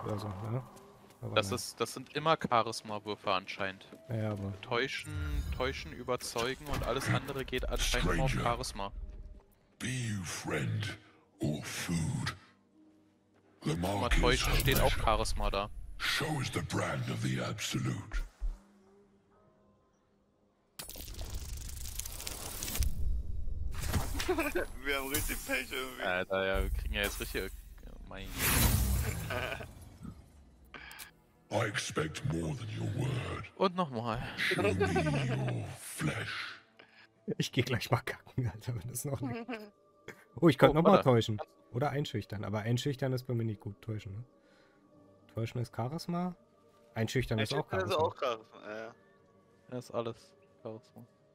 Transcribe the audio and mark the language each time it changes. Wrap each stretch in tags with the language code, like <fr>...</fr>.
<de>Also, ja. Das sind immer Charisma-Würfe anscheinend. Ja, aber. Täuschen, überzeugen und alles andere geht anscheinend nur auf Charisma.</de> <en>Be you friend or food.</en> <de>The mark mal täuschen, steht auch Charisma da.</de> <en>Show is the brand of the absolute.</en> <de>Wir haben richtig Pech irgendwie. Alter, ja, wir kriegen ja jetzt richtig. Mein.</de> <en>I expect more than your word.</en> <de>Und nochmal.</de> <en>Show me your flesh.</en> <de>Ich geh gleich mal kacken, Alter, wenn das noch nicht. Oh, ich könnte nochmal täuschen. Oder einschüchtern. Aber einschüchtern ist bei mir nicht gut. Täuschen, ne? Täuschen ist Charisma. Einschüchtern ist auch Charisma. Ist auch Charisma, ja. Das ist alles Charisma.</de>